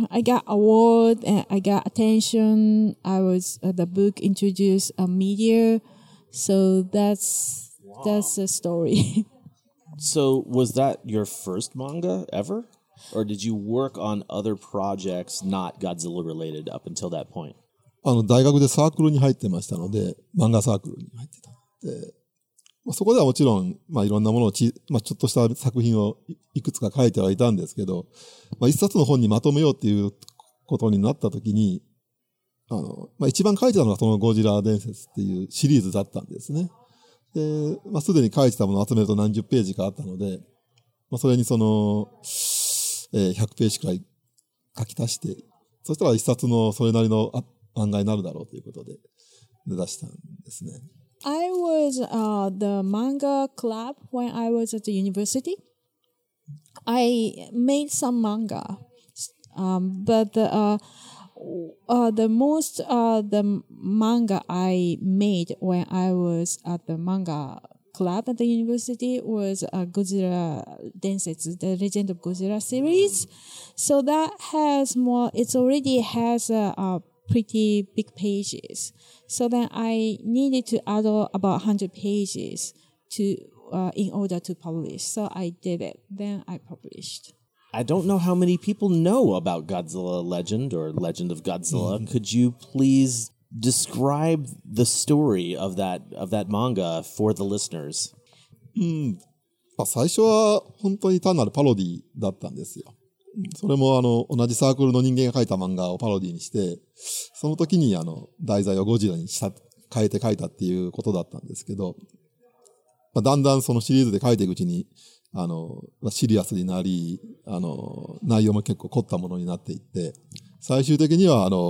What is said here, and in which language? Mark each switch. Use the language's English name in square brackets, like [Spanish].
[English] I got award and I got attention. I was the book introduced a media. So that's the story. So was that your first manga ever, or did you work on other projects not Godzilla related up until that point? [Japanese] 大学でサークルに入ってましたので、漫画サークルに入ってたので、まあ、そこではもちろん、まあいろんなものをまあちょっとした作品をいくつか書いてはいたんですけど、まあ一冊の本にまとめようっていうことになったときに、まあ一番書いてたのがそのゴジラ伝説っていうシリーズだったんですね。で、まあすでに書いてたものを集めると何十ページかあったので、まあそれにその、100ページくらい書き足して、そしたら一冊のそれなりの、漫画になるだろうということで出したんですね。 [English] I was the manga club when I was at the university. I made some manga, but the manga I made when I was at the manga club at the university was Godzilla Densetsu, the Legend of Godzilla series. So that has more. It already has pretty big pages. So then I needed to add about 100 pages to in order to publish. So I did it. Then I published. I don't know how many people know about Godzilla Legend or Legend of Godzilla. Mm-hmm. Could you please describe the story of that manga for the listeners? [Japanese] まあ、最初は本当に単なるパロディだったんですよ。それも同じサークルの人間が書いた漫画をパロディにして、その時に題材をゴジラに変えて書いたっていうことだったんですけど、まあ、だんだんそのシリーズで書いていくうちに、シリアスになり、内容も結構凝ったものになっていって、最終的には、